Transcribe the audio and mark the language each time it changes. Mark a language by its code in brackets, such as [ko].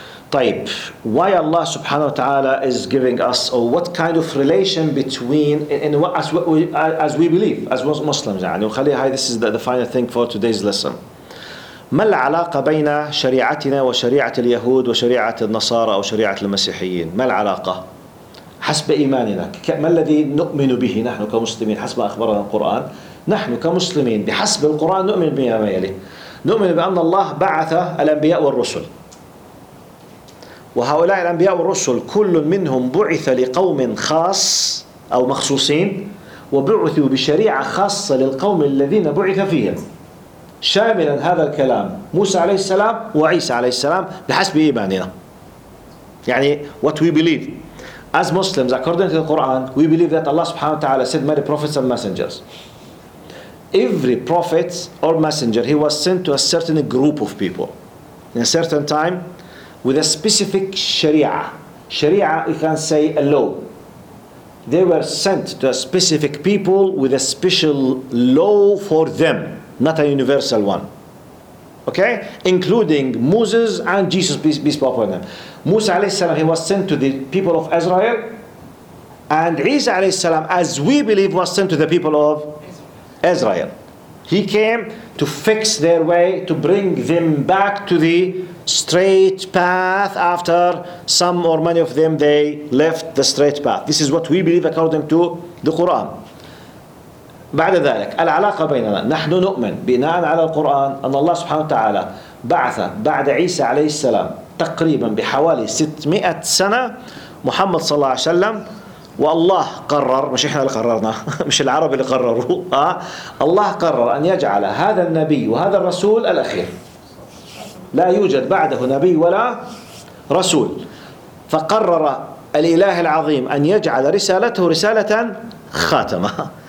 [en] Taib, why Allah subhanahu wa ta'ala is giving us, or what kind of relation between, as we believe, as was Muslims, this is the final thing for today's lesson. [ar] ما العلاقة بين شريعتنا وشريعة اليهود وشريعة النصارى أو شريعة المسيحيين؟ ما العلاقة؟ حسب إيماننا، ما الذي نؤمن به نحن كمسلمين حسب أخبرنا القرآن؟ نحن كمسلمين بحسب القرآن نؤمن بما يلي: نؤمن بأن الله بعث الأنبياء والرسل، وهؤلاء الأنبياء والرسل كل منهم بعث لقوم خاص أو مخصوصين، وبعثوا بشريعة خاصة للقوم الذين بعث فيهم، شاملا هذا الكلام موسى عليه السلام وعيسى عليه السلام بحسب إيماننا، يعني [en] what we believe as Muslims according to the Quran. We believe that Allah subhanahu wa ta'ala sent many prophets and messengers. Every prophet or messenger, he was sent to a certain group of people in a certain time with a specific sharia. Sharia, you can say a law. They were sent to a specific people with a special law for them, not a universal one. Okay? Including Moses and Jesus, peace be upon them. Musa alayhi salam, he was sent to the people of Israel. And Isa alayhi salam, as we believe, was sent to the people of Israel. He came to fix their way, to bring them back to the straight path after some or many of them, they left the straight path. This is what we believe according to the Quran. [ar] بعد ذلك العلاقة بيننا: نحن نؤمن بناء على القرآن أن الله سبحانه وتعالى بعث بعد عيسى عليه السلام تقريبا بحوالي 600 سنة محمد صلى الله عليه وسلم، والله قرر، مش إحنا اللي قررنا، مش العرب اللي قرروا، الله قرر أن يجعل هذا النبي وهذا الرسول الأخير، لا يوجد بعده نبي ولا رسول، فقرر الإله العظيم أن يجعل رسالته رسالة خاتمة.